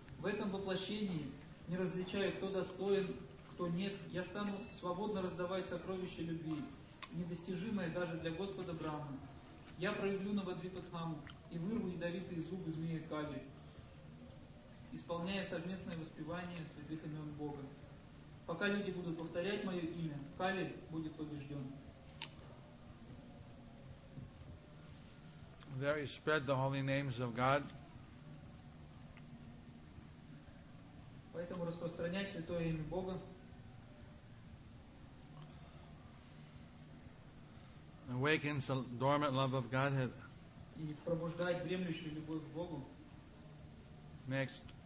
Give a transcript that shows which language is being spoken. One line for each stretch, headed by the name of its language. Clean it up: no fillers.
Russian: В этом воплощении, не различая, кто достоин, кто нет, я стану свободно раздавать сокровища любви, недостижимое даже для Господа Брахмы. Я проявлю Навадвипатхаму и вырву ядовитые зубы змея Кали, исполняя совместное воспевание святых имен Бога. Пока люди будут повторять мое имя, Кали будет побежден.
English: There you spread the holy names of God.
Russian: Поэтому распространять святое имя Бога.
English: Awakens the dormant love of Godhead.
Russian: И пробуждает дремлющую любовь к Богу.
English: Next.